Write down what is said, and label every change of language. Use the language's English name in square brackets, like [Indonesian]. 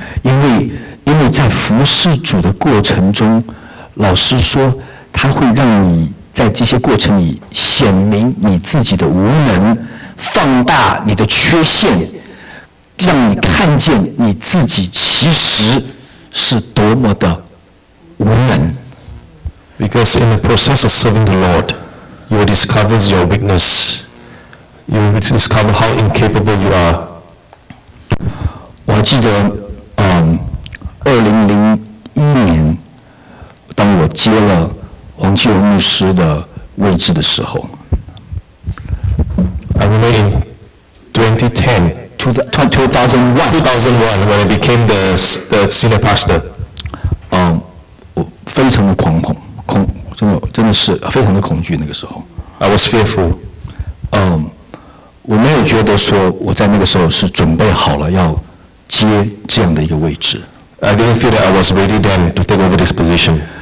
[Chinese] 因为在服侍主的过程中，老师说他会让你在这些过程里显明你自己的无能，放大你的缺陷，让你看见你自己其实是多么的无能。 [English] Because in the process of serving the Lord, you discover your weakness. You will discover how incapable you are. [Chinese] 我记得，2001年，当我接了黄继荣牧师的位置的时候 [English] ，I remember in 2010, 2001 when I became the senior pastor. [Chinese] 我非常的恐，真的是非常的恐惧那个时候。 [English] I was fearful. [Chinese] 我没有觉得说我在那个时候是准备好了要接这样的一个位置。 [English] I didn't feel that I was ready then to take over this position.